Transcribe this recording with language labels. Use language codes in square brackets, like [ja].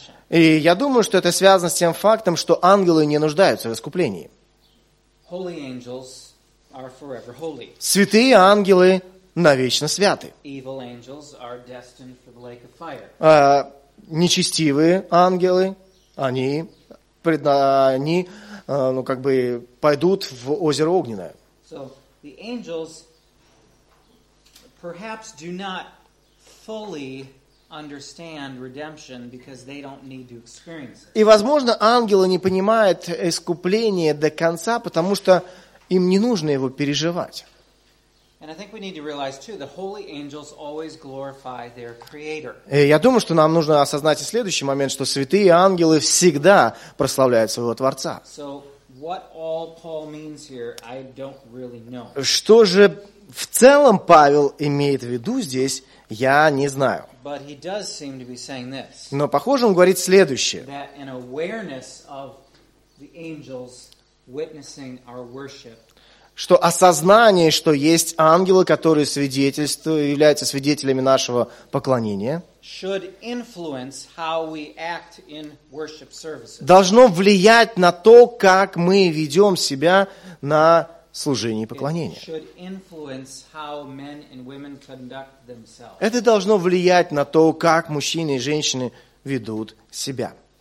[ru] И я думаю, что это связано с тем фактом, что ангелы не нуждаются в искуплении. [en] Holy angels are forever holy. [ru] Святые ангелы навечно святы. [en] Evil angels are destined for the lake of fire. [ru] Нечестивые ангелы, они пойдут в озеро огненное. [en] So the angels perhaps do not fully understand redemption because they don't need to experience it. [ru] И возможно, ангелы не понимают искупление до конца, потому что им не нужно его переживать. [en] And I think we need to realize too that holy angels always glorify their creator. [ru] И я думаю, что нам нужно осознать и следующий момент, что святые ангелы всегда прославляют своего Творца. [en] So what all Paul means here, I don't really know. [ru] Что же в целом Павел имеет в виду здесь? Я не знаю. [en] But he does seem to be saying this, [ru] но, похоже, он говорит следующее. [en] That an awareness of the angels witnessing our worship, [ru] что осознание, что есть ангелы, которые свидетельствуют, являются свидетелями нашего поклонения, [en] should influence how we act in worship services. [ru] Должно влиять на то, как мы ведем себя на служение и поклонение. Это должно влиять на то, как мужчины и женщины ведут себя.